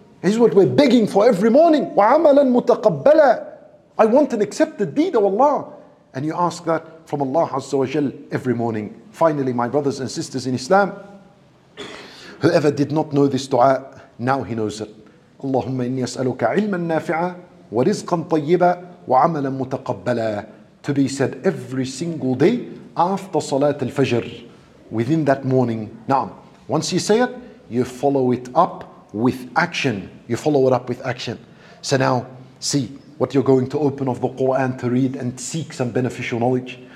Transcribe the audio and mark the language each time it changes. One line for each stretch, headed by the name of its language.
English: This is what we're begging for every morning.
Arabic: وَعَمَلًا مُتَقَبَّلًا.
English: I want an accepted deed of Allah. And you ask that from Allah Azza wa Jal every morning. Finally, my brothers and sisters in Islam, whoever did not know this dua, now he knows it.
Arabic: اللهم إني أسألك علما نافعا ورزقا طيبا وعملا متقبلا.
English: To be said every single day after Salat al-Fajr, within that morning. Now, once you say it, you follow it up with action. You follow it up with action. So now, see what you're going to open of the Quran to read and seek some beneficial knowledge.